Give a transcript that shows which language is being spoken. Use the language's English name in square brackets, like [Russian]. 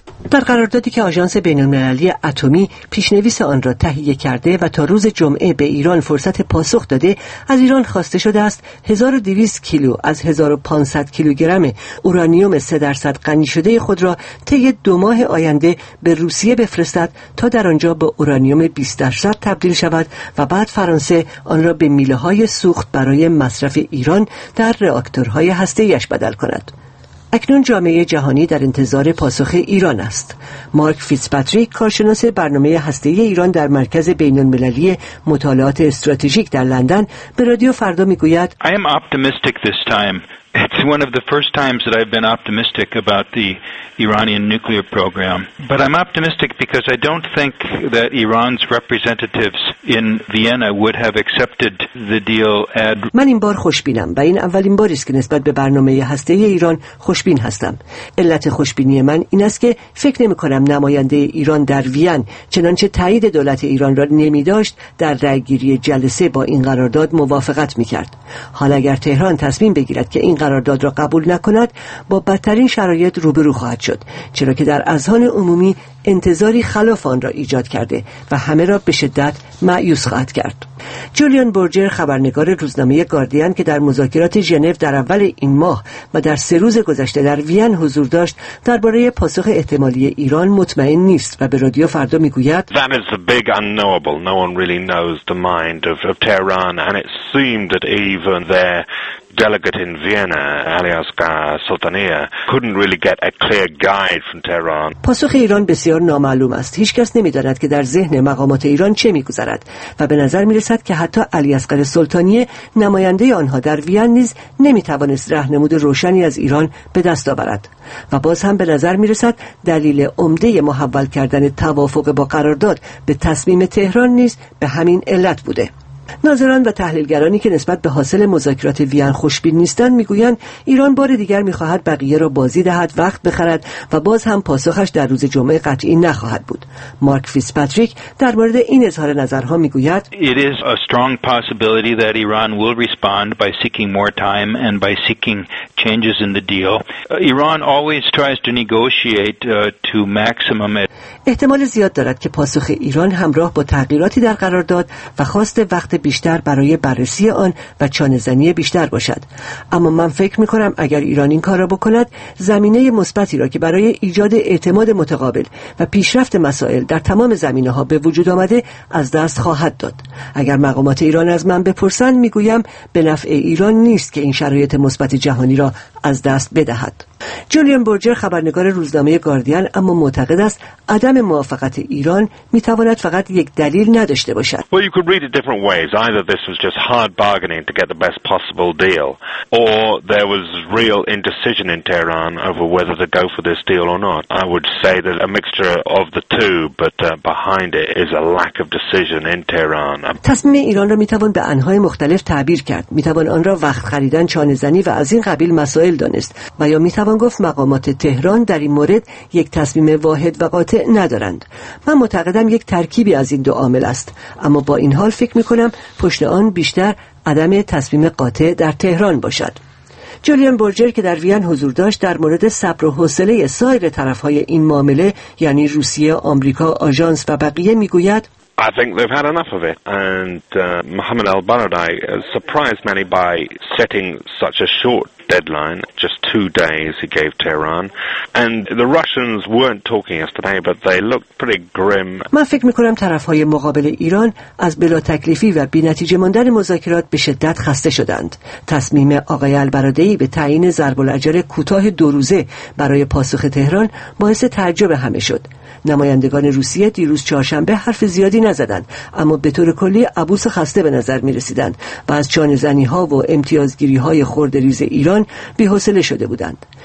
[Persian] در قراردادی که آژانس بین‌المللی اتمی پیشنویس آن را تهیه کرده و تا روز جمعه به ایران فرصت پاسخ داده، از ایران خواسته شده است 1200 کیلو از 1500 کیلوگرم اورانیوم 3% غنی شده خود را طی 2 ماه آینده به روسیه بفرستد تا در آنجا به اورانیوم 20% تبدیل شود و بعد فرانسه آن را به میله‌های سوخت برای مصرف ایران در راکتورهای هسته‌ای‌اش بدل کند. اکنون جامعه جهانی در انتظار پاسخ ایران است. مارک فیتزپاتریک، کارشناس برنامه هسته‌ای ایران در مرکز بین‌المللی مطالعات استراتژیک در لندن، به رادیو فردا می‌گوید: [English] I am optimistic this time. It's one of the first times that I've been optimistic about the Iranian nuclear program. But I'm optimistic because I don't think that Iran's representatives in Vienna would have accepted the deal. [Persian] من این بار خوشبینم و این اولین باری است که نسبت به برنامه هسته‌ای ایران خوشبین هستم. علت خوشبینی من این است که فکر نمی‌کنم نماینده ایران در وین، چنانچه تایید دولت ایران را نمی‌داشت، در رأی‌گیری جلسه با این قرارداد موافقت می‌کرد. حالا اگر تهران تصمیم بگیرد که این قرارداد را قبول نکند، با بدترین شرایط روبرو خواهد شد، چرا که در اذهان عمومی انتظاری خلاف آن را ایجاد کرده و همه را به شدت مایوس خواهد کرد. جولیان برجر، خبرنگار روزنامه گاردین که در مذاکرات ژنو در اول این ماه و در 3 روز گذشته در وین حضور داشت، درباره پاسخ احتمالی ایران مطمئن نیست و به رادیو فردا میگوید: [English] That is the big unknowable. No one really knows the mind of Tehran, and it seemed that even there delegate in Vienna, Aliaska Sultania, couldn't really get a clear guide from Tehran. [Persian] پاسخ ایران بسیار نامعلوم است. هیچ کس نمی‌داند که در ذهن مقامات ایران چه می‌گذرد و به نظر می‌رسد که حتی علی‌اصغر سلطانی، نماینده آنها در وین، نیز نمی‌توانست راهنمود روشنی از ایران به دست آورد. و باز هم به نظر می‌رسد دلیل عمده محول کردن توافق با قرارداد به تصمیم تهران نیز به همین علت بوده. ناظران و تحلیلگرانی که نسبت به حاصل مذاکرات وین خوشبین نیستند میگویند ایران بار دیگر میخواهد بقیه را بازی دهد، وقت بخرد و باز هم پاسخش در روز جمعه قطعی نخواهد بود. مارک فیتزپاتریک در مورد این اظهار نظرها میگوید: [English] It is a strong possibility that Iran will respond by seeking more time and by seeking changes in the deal. Iran always tries to negotiate to maximum it. [Persian] احتمال زیاد دارد که پاسخ ایران همراه با تغییراتی در قرارداد و خواست وقت بیشتر برای بررسی آن و چانه‌زنی بیشتر باشد. اما من فکر می‌کنم اگر ایران این کار را بکند، زمینه مثبتی را که برای ایجاد اعتماد متقابل و پیشرفت مسائل در تمام زمینه‌ها به وجود آمده، از دست خواهد داد. اگر مقامات ایران از من بپرسند، می‌گویم به نفع ایران نیست که این شرایط مثبت جهانی را از دست بدهد. جولیان برجر، خبرنگار روزنامه گاردین، اما معتقد است عدم موافقت ایران میتواند فقط یک دلیل نداشته باشد. [English] Well, you could read it different ways. Either this was just hard bargaining to get the best possible deal, or there was real indecision in Tehran over whether to go for this deal or not. I would say that a mixture of the two, but behind it is a lack of decision in Tehran. [Persian] تصمیم ایران را میتوان به انهای مختلف تعبیر کرد. میتوان آن را وقت خریدن، چانه‌زنی و از این قبیل مسائل دانست. و یا میتوان گفت مقامات تهران در این مورد یک تصمیم واحد و قاطع ندارند. من معتقدم یک ترکیبی از این دو عامل است، اما با این حال فکر میکنم پشت آن بیشتر عدم تصمیم قاطع در تهران باشد. جولیان برجر که در وین حضور داشت، در مورد صبر و حوصله سایر طرفهای این معامله، یعنی روسیه، آمریکا، آژانس و بقیه، میگوید: [English] I think they've had enough of it, and Mohammed al-Baradei surprised many by setting such a short deadline, just 2 days he gave Tehran, and the Russians weren't talking yesterday, but they looked pretty grim. [Persian] من فکر میکنم طرفهای مقابل ایران از بلا تکلیفی و بی نتیجه ماندن مذاکرات به شدت خسته شدند. تصمیم آقای البرادعی به تعیین ضرب الاجل کوتاه 2 روزه برای پاسخ تهران باعث تعجب همه شد. نمایندگان روسیه دیروز چهارشنبه حرف زیادی نزدند، اما به طور کلی عبوس خسته به نظر می رسیدند و از چانه‌زنی‌ها و امتیازگیری‌های خردریز ایران بی‌حوصله شده بودند.